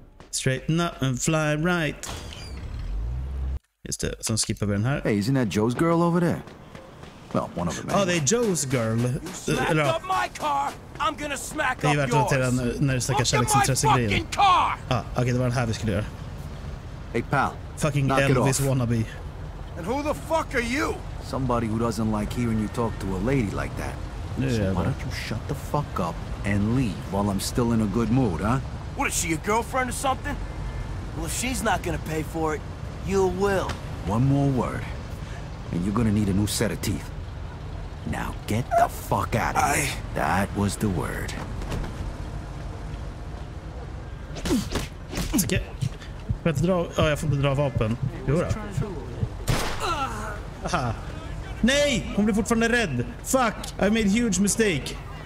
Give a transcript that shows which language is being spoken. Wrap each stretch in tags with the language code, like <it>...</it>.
<en>Straighten up and fly right.</en> <sv>Just det, sen skippar vi den här.</sv> <en>Hey, isn't that Joe's girl over there? Well, one of them.</en> <sv>Oh, det är Joe's girl.</sv> <en>Smack up my car, I'm gonna smack up yours.</en> <sv>Det är ju värt att notera när det snackar kärleksintressegrejen.</sv> <en>Look at my fucking car!</en> <sv>Okej, det var den här vi skulle göra.</sv> <en>Hey, pal. Fucking Elvis wannabe. And who the fuck are you? Somebody who doesn't like hearing you talk to a lady like that. Yeah, so why don't you shut the fuck up and leave while I'm still in a good mood, huh? What, is she your girlfriend or something? Well, if she's not gonna pay for it, you will. One more word, and you're gonna need a new set of teeth. Now get the fuck out of here. That was the word.</en> <sv>Vänta, dra. Ja, jag får inte dra vapen. Jo då. Nej, hon blir fortfarande rädd.</sv> <en>Fuck, I made a huge mistake.</en>